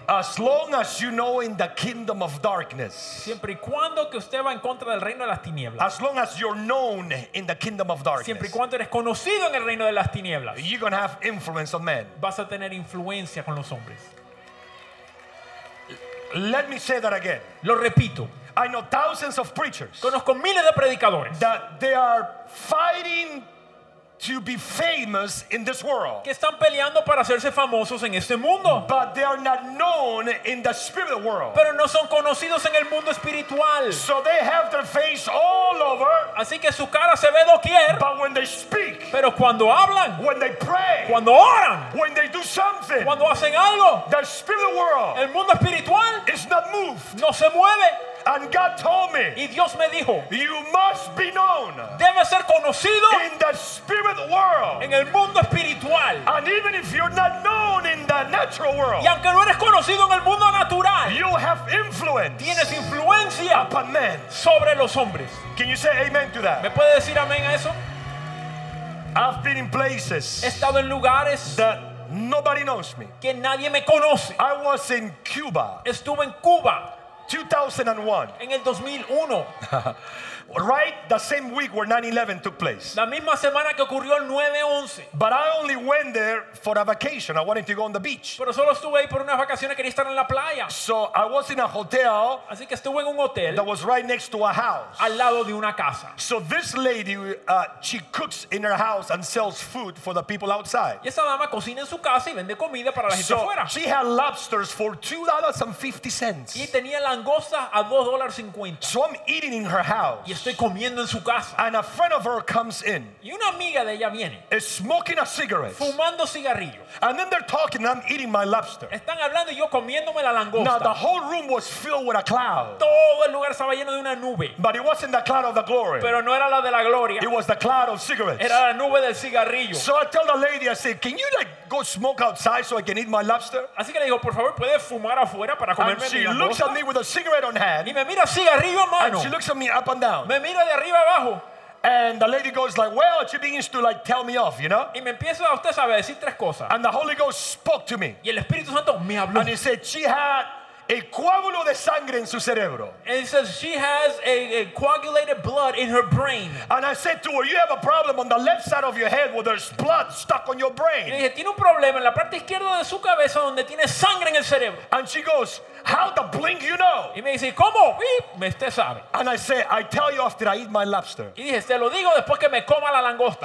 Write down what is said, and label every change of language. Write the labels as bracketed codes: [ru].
[en] As long as you know in the kingdom of darkness. [es] Siempre y cuando que usted va en contra del reino de las tinieblas. [en] As long as you're known in the kingdom of darkness. [es] Siempre y cuando eres conocido en el reino de las tinieblas. [en] You're going to have influence on men. [es] Vas a tener influencia con los hombres. [en] Let me say that again. [es] Lo repito. [en] I know thousands of preachers. [es] Conozco miles de predicadores. [en] That they are fighting to be famous in this world. [es] Que están peleando para hacerse famosos en este mundo. [en] But they are not known in the spirit world. [es] Pero no son conocidos en el mundo espiritual. [en] So they have their face all over. [es] Así que su cara se ve doquier. [en] But when they speak. [es] Pero cuando hablan. [en] When they pray. [es] Cuando oran. [en] When they do something. [es] Cuando hacen algo. [en] The spirit world. [es] El mundo espiritual. [en] Is not moved. [es] No se mueve. [en] And God told me. [es] Y Dios me dijo. [en] You must be known. [es] Debe ser conocido. [en] In the spirit world. [es] En el mundo espiritual. [en] And even if you're not known in the natural world. [es] Y aunque no eres conocido en el mundo natural. [en] You have influence. [es] Tienes influencia. [en] Upon men. [es] Sobre los hombres. [en] Can you say amen to that? [es] ¿Me puede decir amén a eso? [en] I've been in places. [es] He estado en lugares. [en] That nobody knows me. [es] Que nadie me conoce. [en] I was in Cuba. [es] Estuve en Cuba. [en] 2001. [es] En el 2001. [en] Right the same week where 9/11 took place. [es] La misma semana que ocurrió el 9/11. [en] But I only went there for a vacation. I wanted to go on the beach. [es] Pero solo estuve ahí por unas vacaciones, quería estar en la playa. [en] So I was in a hotel. [es] Así que estuve en un hotel. [en] That was right next to a house. [es] Al lado de una casa. [en] So this lady, she cooks in her house and sells food for the people outside. [es] Y esa dama cocina en su casa y vende comida para la gente afuera. [en] So she had lobsters for $2.50. [es] Y tenía langostas a $2.50. [en] So I'm eating in her house. [es] Estoy comiendo en su casa. [en] And a friend of her comes in. [es] Y una amiga de ella viene. [en] Is smoking a cigarette. [es] Fumando cigarrillo. [en] And then they're talking and I'm eating my lobster. [es] Están hablando y yo comiéndome la langosta. [en] Now the whole room was filled with a cloud. [es] Todo el lugar estaba lleno de una nube. [en] But it wasn't the cloud of the glory. [es] Pero no era la de la gloria. [en] It was the cloud of cigarettes. [es] Era la nube del cigarrillo. [en] So I tell the lady, I said, can you like go smoke outside so I can eat my lobster? [es] Así que le digo, por favor, ¿puede fumar afuera para comerme mi langosta? [en] And she looks at me with a cigarette on hand. [es] Y me mira cigarrillo en mano. [en] And she looks at me up and down. [es] Me mira de arriba abajo. [en] And the lady goes like, well, she begins to like tell me off, you know? [es] Y me empieza a usted sabe decir tres cosas. [en] And the Holy Ghost spoke to me. [es] Y el Espíritu Santo me habló. [en] And he said she had a [es] coágulo de sangre en su cerebro. [en] And he says she has a coagulated blood in her brain. And I said to her, you have a problem on the left side of your head where there's blood stuck on your brain. [es] Y dije, tiene un problema en la parte izquierda de su cabeza donde tiene sangre en el cerebro. [en] And she goes, how the blink you know? [es] Y me dice, ¿cómo? Me usted sabe. [en] And I say, I tell you after I eat my lobster. [es] Y dije, te lo digo después que me coma la langosta.